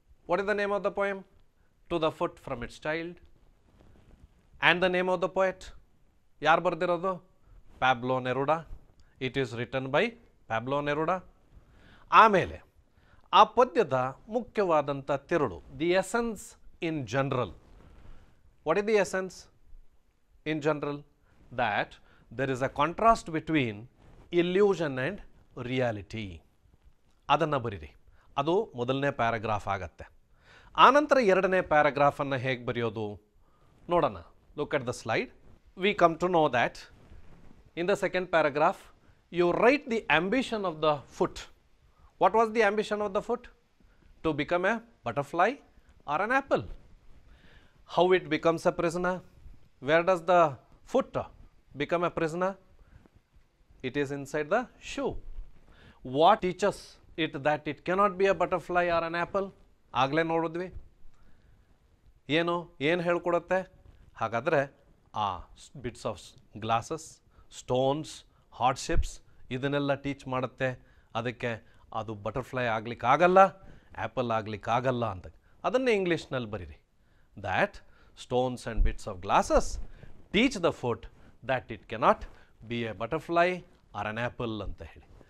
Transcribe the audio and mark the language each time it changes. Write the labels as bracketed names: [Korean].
[English] What is the name of the poem? To the foot from its child. And the name of the poet, [Kannada] ಯಾರು ಬರೆದಿರೋದು? [English] Pablo Neruda. It is written by Pablo Neruda. [Kannada] ಆಮೇಲೆ ಆ ಪದ್ಯದ ಮುಖ್ಯವಾದಂಥ ತಿರುಳು, [English] The essence in general. What is the essence in general? That there is a contrast between illusion and reality. [Kannada] ಅದನ್ನು ಬರೀರಿ. ಅದು ಮೊದಲನೇ ಪ್ಯಾರಾಗ್ರಾಫ್ ಆಗತ್ತೆ. ಆನಂತರ ಎರಡನೇ ಪ್ಯಾರಾಗ್ರಾಫನ್ನು ಹೇಗೆ ಬರೆಯೋದು ನೋಡೋಣ. [English] Look at the slide. We come to know that in the second paragraph you write the ambition of the foot. What was the ambition of the foot? To become a butterfly or an apple. How it becomes a prisoner? Where does the foot become a prisoner? It is inside the shoe. What teaches it that it cannot be a butterfly or an apple? [Kannada] ಆಗಲೇ ನೋಡಿದ್ವಿ. ಏನು ಏನು ಹೇಳ್ಕೊಡುತ್ತೆ? ಹಾಗಾದರೆ ಆ bits of glasses, stones, hardships ಇದನ್ನೆಲ್ಲ teach ಮಾಡುತ್ತೆ. ಅದಕ್ಕೆ ಅದು ಬಟರ್ಫ್ಲೈ ಆಗಲಿಕ್ಕಾಗಲ್ಲ, ಆ್ಯಪಲ್ ಆಗಲಿಕ್ಕಾಗಲ್ಲ ಅಂತ. ಅದನ್ನೇ ಇಂಗ್ಲೀಷ್ನಲ್ಲಿ ಬರೀರಿ. [English] that stones and bits of glasses teach the foot that it cannot be a butterfly or an apple [Kannada] ಅಂತ ಹೇಳಿ.